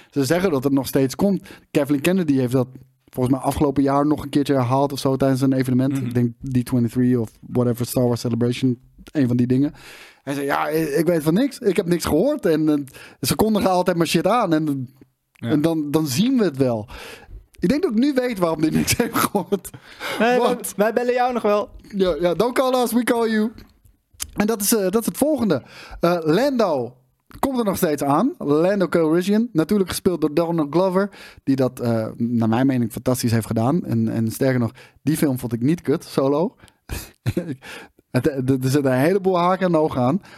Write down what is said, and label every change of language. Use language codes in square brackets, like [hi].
[nl] Ze zeggen dat het nog steeds komt. Kathleen Kennedy heeft dat volgens mij afgelopen jaar nog een keertje herhaald of zo tijdens een evenement. Mm-hmm. Ik denk D23 of whatever, Star Wars Celebration. Een van die dingen. Hij zei, ik weet van niks. Ik heb niks gehoord. En ze kondigen altijd maar shit aan. En En dan zien we het wel. Ik denk dat ik nu weet waarom die niks heeft gehoord. Nee, want... wij bellen jou nog wel. [en] Ja, ja, don't call us, we call you. [nl] En dat is het volgende. Lando komt er nog steeds aan. Lando Calrissian. Natuurlijk gespeeld door Donald Glover. Die dat, naar mijn mening, fantastisch heeft gedaan. En sterker nog, die film vond ik niet kut, Solo. Er zitten een heleboel haken en ogen aan.